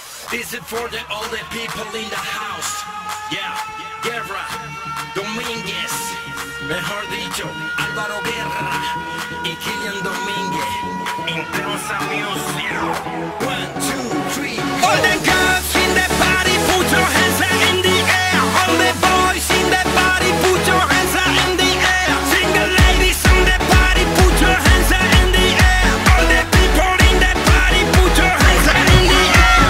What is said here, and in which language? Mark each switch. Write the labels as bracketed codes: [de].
[en] This is for the older people in the house. [es] Yeah, Guerra, Dominguez, mejor dicho, Álvaro Guerra y Kilian Dominguez. [en] Intensa Music. One, two, three. All the girls in the party, put your hands up in the air. All the boys in the party, put your hands up in the air. Single ladies in the party, put your hands up in the air. All the people in the party, put your hands up in the air.